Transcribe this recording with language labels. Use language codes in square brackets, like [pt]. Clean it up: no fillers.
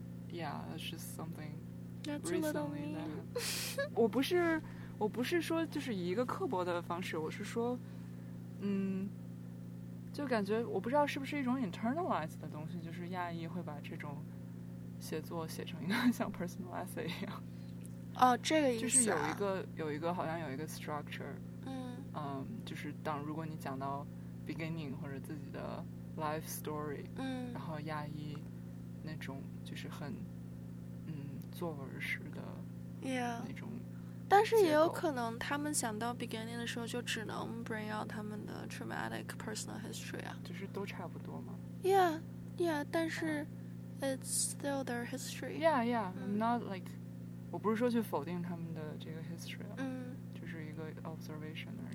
[en] Yeah, that's just something recently that [zh] 我不是我不是说就是以一个刻薄的方式，我是说就感觉我不知道是不是一种 internalized 的东西，就是亚裔会把这种写作写成一个像 personal essay 一样。哦，这个意思、啊、就是有一个好像有一个 structure。嗯就是当如果你讲到 beginning 或者自己的 life story，嗯，然后亚裔那种就是很作文式的那种、 [en] yeah. [zh] 但是也有可能他们想到 beginning 的时候就只能 [en] bring out [zh] 他们的 [en] traumatic personal history [zh] 啊，就是都差不多吗？ [en] Yeah yeah， [zh] 但是 [en] it's still their history。 Yeah yeah， I'm not like [zh] 我不是说去否定他们的这个 history 啊，就是一个 observation 而已。